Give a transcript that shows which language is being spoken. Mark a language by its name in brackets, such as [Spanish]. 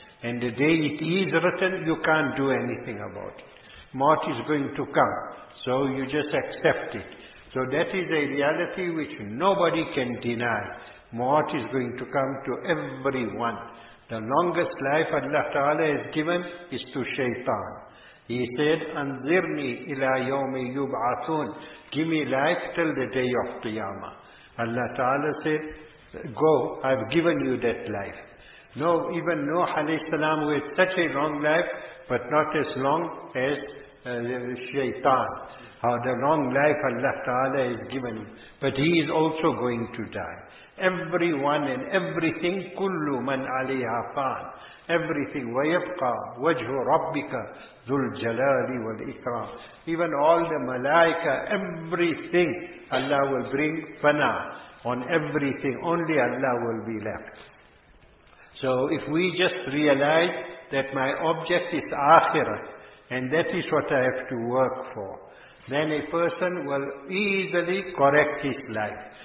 [English] And the day it is written, you can't do anything about it. Mort is going to come, so you just accept it. So that is a reality which nobody can deny. Mort is going to come to everyone. The longest life Allah Ta'ala has given is to Shaitan. He said, [Arabic] أَنْذِرْنِي إِلَىٰ يَوْمِ يُبْعَثُونَ. [English] Give me life till the day of Qiyamah. Allah Ta'ala said, go, I've given you that life. No, even Nuh alayhi salam, who had such a long life, but not as long as Shaitan. How the long life Allah Ta'ala has given him. But he is also going to die. Everyone and everything, [Arabic] kullu man alayha fan. [English] Everything, [Arabic] وَيَبْقَى وَجْهُ رَبِّكَ ذُو الْجَلَالِ وَالْإِكْرَامِ. [English] Even all the malaika, everything, Allah will bring fana on everything. Only Allah will be left. So if we just realize that my object is akhirah, and that is what I have to work for, then a person will easily correct his life.